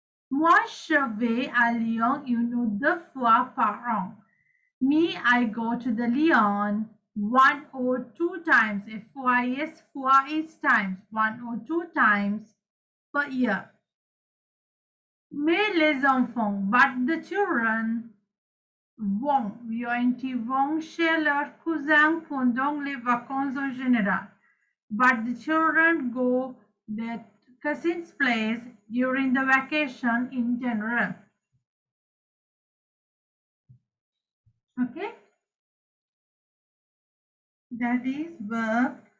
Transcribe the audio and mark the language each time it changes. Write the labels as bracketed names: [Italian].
[French] Moi, je vais à Lyon une ou deux fois par an. [English] Me, I go to the Lyon one or two times. F-O-I-S, fois is times. One or two times per year. [French] Mais les enfants, [English] but the children, [French] vont. V-O-N-T, vont chez leurs cousins pendant les vacances en général. [English] But the children go their cousin's place during the vacation in general. Okay? That is verb.